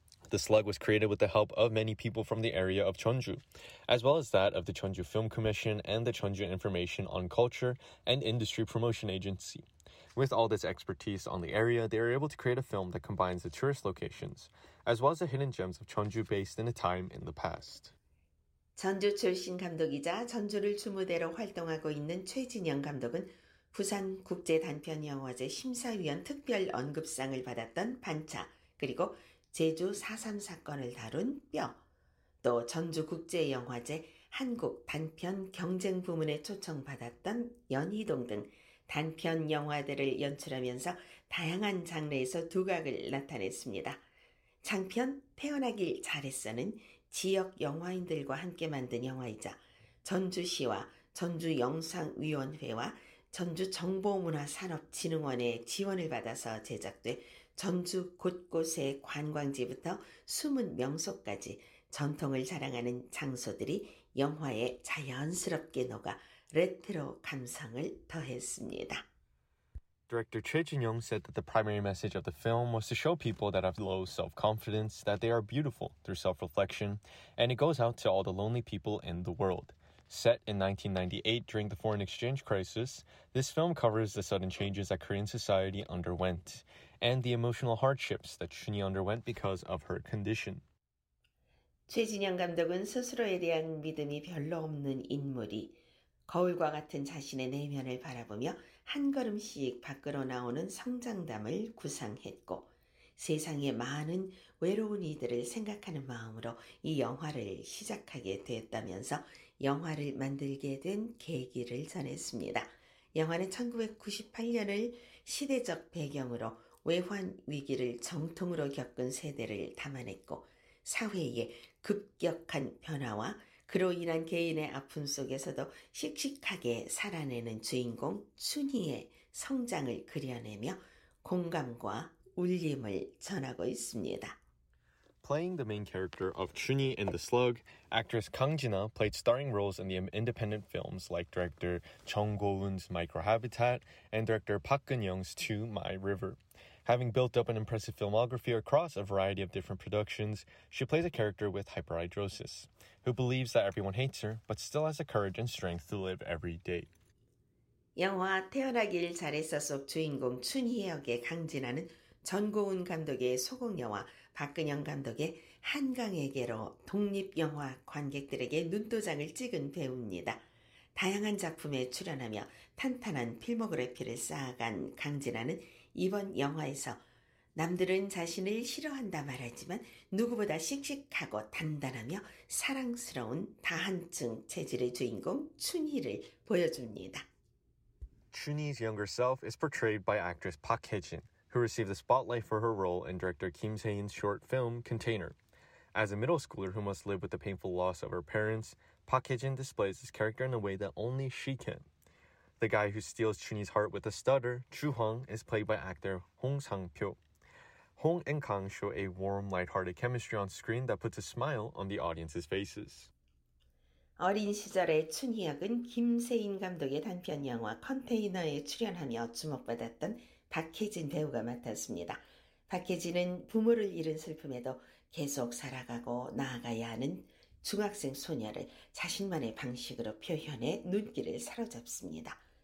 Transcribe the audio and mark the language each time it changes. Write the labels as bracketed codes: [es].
[en] The Slug was created with the help of many people from the area of Jeonju, as well as that of the Jeonju Film Commission and the Jeonju Information on Culture and Industry Promotion Agency. With all this expertise on the area, they are able to create a film that combines the tourist locations, as well as the hidden gems of Jeonju based in a time in the past. [ko] 전주 출신 감독이자 전주를 주무대로 활동하고 있는 최진영 감독은 부산 국제 단편 영화제 심사위원 특별 언급상을 받았던 반차, 그리고 제주 4.3 사건을 다룬 뼈, 또 전주 국제 영화제 한국 단편 경쟁 부문에 초청받았던 연희동 등 단편 영화들을 연출하면서 다양한 장르에서 두각을 나타냈습니다. 장편 태어나길 잘했어는 지역 영화인들과 함께 만든 영화이자 전주시와 전주영상위원회와 전주정보문화산업진흥원의 지원을 받아서 제작돼 전주 곳곳의 관광지부터 숨은 명소까지 전통을 자랑하는 장소들이 영화에 자연스럽게 녹아 레트로 감성을 더했습니다. [en] Director Choi Jin-young said that the primary message of the film was to show people that have low self-confidence that they are beautiful through self-reflection, and it goes out to all the lonely people in the world. Set in 1998 during the foreign exchange crisis, this film covers the sudden changes that Korean society underwent and the emotional hardships that Chun-young underwent because of her condition. [ko] 최진영 감독은 스스로에 대한 믿음이 별로 없는 인물이 거울과 같은 자신의 내면을 바라보며 한 걸음씩 밖으로 나오는 성장담을 구상했고 세상에 많은 외로운 이들을 생각하는 마음으로 이 영화를 시작하게 되었다면서 영화를 만들게 된 계기를 전했습니다. 영화는 1998년을 시대적 배경으로 외환 위기를 정통으로 겪은 세대를 담아냈고 사회의 급격한 변화와 그로 인한 개인의 아픔 속에서도 씩씩하게 살아내는 주인공 춘희의 성장을 그려내며 공감과 울림을 전하고 있습니다. [en] Playing the main character of Chun-hee in The Slug, actress Kang Jin-ha played starring roles in the independent films like director Jung Go-eun's Microhabitat and director Park Geun-young's To My River. Having built up an impressive filmography across a variety of different productions, she plays a character with hyperhidrosis, who believes that everyone hates her, but still has the courage and strength to live every day. [ko] 영화 태어나길 잘했어 속 주인공 춘희 역의 강진아는 전고은 감독의 소공녀와 박근영 감독의 한강에게로 독립영화 관객들에게 눈도장을 찍은 배우입니다. 다양한 작품에 출연하며 탄탄한 필모그래피를 쌓아간 강진아는 이번 영화에서 남들은 자신을 싫어한다 말하지만 누구보다 씩씩하고 단단하며 사랑스러운 다한증 체질의 주인공 춘희를 보여줍니다. [en] Chun-hee's younger self is portrayed by actress Park Hye-jin, who received the spotlight for her role in director Kim Se-in's short film Container. As a middle schooler who must live with the painful loss of her parents, Park Hye-jin displays this character in a way that only she can. The guy who steals Chun-hee's heart with a stutter, Chu Hong, is played by actor Hong Sang-pyo. Hong and Kang show a warm, lighthearted chemistry on screen that puts a smile on the audience's faces. [ko] 어린 시절의 춘희 역은 김세인 감독의 단편 영화 컨테이너에 출연하며 주목받았던 박혜진 배우가 맡았습니다. 박혜진은 부모를 잃은 슬픔에도 계속 살아가고 나아가야 하는 중학생 소녀를 자신만의 방식으로 표현해 눈길을 사로잡습니다.